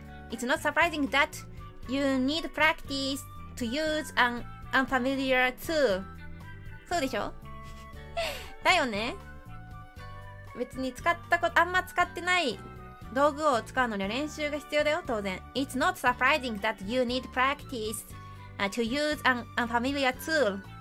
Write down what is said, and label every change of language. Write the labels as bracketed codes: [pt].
[en] It's not surprising that you need practice to use an unfamiliar tool. [ja] そうでしょ。だよね。別に使ったこと、あんま使ってない道具を使うのには練習が必要だよ、当然。 [en] It's not surprising that you need practice to use an unfamiliar tool.